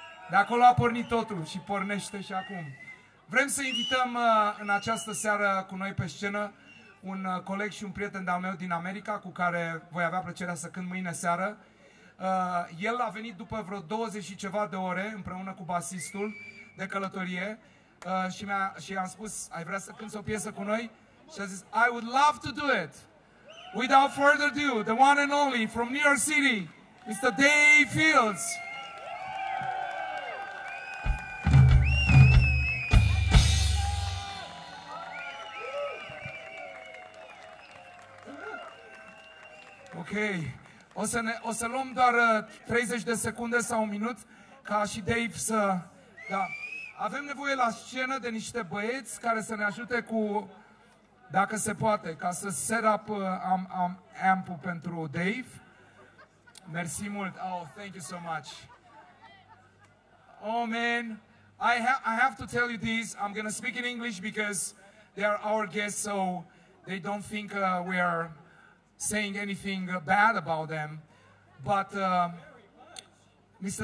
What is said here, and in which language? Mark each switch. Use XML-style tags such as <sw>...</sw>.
<ro>De acolo a pornit totul și pornește și acum. Vrem să invităm în această seară cu noi pe scenă un coleg și un prieten de-al meu din America, cu care voi avea plăcerea să cânt mâine seară. El a venit după vreo 20 și ceva de ore împreună cu basistul de călătorie și i-am spus, ai vrea să cânți o piesă cu noi? Și a zis,</ro> <en>I would love to do it. Without further ado, the one and only from New York City, Mr. Dave Fields.</en> <ro>Ok, o să luăm doar 30 de secunde sau un minut ca și Dave să... Da. Avem nevoie la scenă de niște băieți care să ne ajute cu, dacă se poate, ca să</ro> <en>set up</en> <ro>amp-ul pentru Dave. Mersi mult.</ro> <en>Oh, thank you so much. Oh, man, I have to tell you this. I'm going to speak in English because they are our guests, so they don't think we are... saying anything bad about them, but Mr.</en>